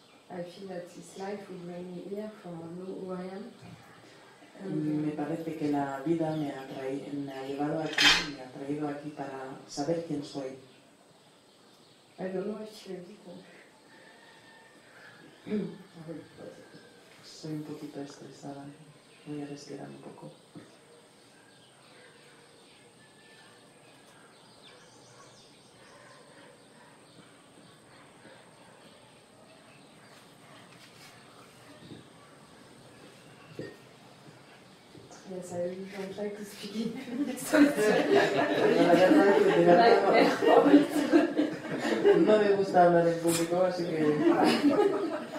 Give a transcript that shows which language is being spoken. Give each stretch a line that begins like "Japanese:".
English: I feel that this life will bring me here for who I am.
Spanish: Me parece que la vida me ha traído aquí para saber quién soy.
English: I don't know if she will be cool.
Spanish: Soy un poquito estresada. Voy a respirar un poco.
English: Yes, I really don't like to speak in public.
Spanish: No me gusta hablar en público, así que.